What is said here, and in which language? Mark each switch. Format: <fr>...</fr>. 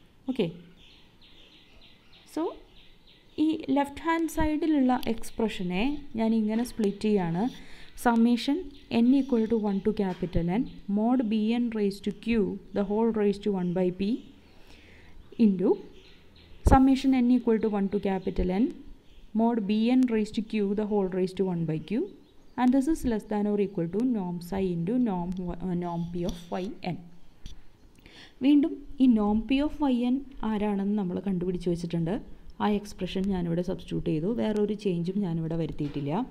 <en>okay, so</en> <ml>ഈ left hand സൈഡിലുള്ള എക്സ്പ്രഷനെ ഞാൻ ഇങ്ങനെ സ്പ്ലിറ്റ് ചെയ്യുകയാണ്,</ml> <en>Summation n equal to one to capital N mod b n raise to q the whole raise to one by p into summation n equal to one to capital N mod bn raised to q the whole raised to 1 by q. And this is less than or equal to norm psi into norm norm p of yn.</en> <ml>വീണ്ടും ഈ നോം P of Y N ആരാണെന്ന് നമ്മൾ കണ്ടുപിടിച്ച് വെച്ചിട്ടുണ്ട്. ആ expression ഞാനിവിടെ substitute ചെയ്തു, വേറൊരു ചേഞ്ചും ഞാനിവിടെ വരുത്തിയിട്ടില്ല.</ml>